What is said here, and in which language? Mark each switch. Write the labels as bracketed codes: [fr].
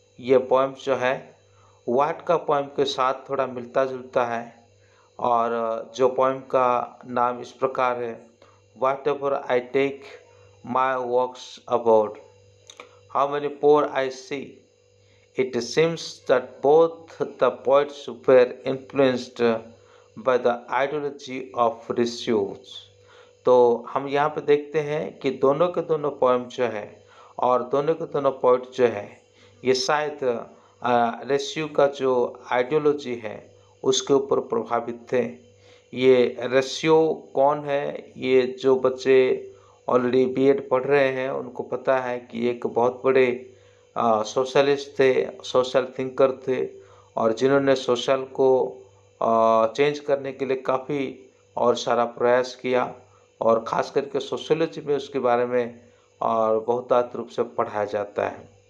[hi] ये पोएम जो है वाट का पोएम के साथ थोड़ा मिलता जुलता है, और जो पोएम का नाम इस प्रकार है, [en] Whatever I take My walks about, how many poor I see. It seems that both the poets were influenced by the ideology of research. [hi] तो हम यहाँ पर देखते हैं कि दोनों के दोनों पोएम जो है और दोनों के दोनों पोइट जो है, ये शायद रेस्यू का जो आइडियोलॉजी है उसके ऊपर प्रभावित थे. ये रेस्यू कौन है, ये जो बच्चे ऑलरेडी बीएड पढ़ रहे हैं उनको पता है कि एक बहुत बड़े सोशलिस्ट थे, सोशल थिंकर थे, और जिन्होंने सोशल को चेंज करने के लिए काफ़ी और सारा प्रयास किया, और ख़ास करके सोशियोलॉजी में उसके बारे में और बहुत आत रूप से पढ़ाया जाता है.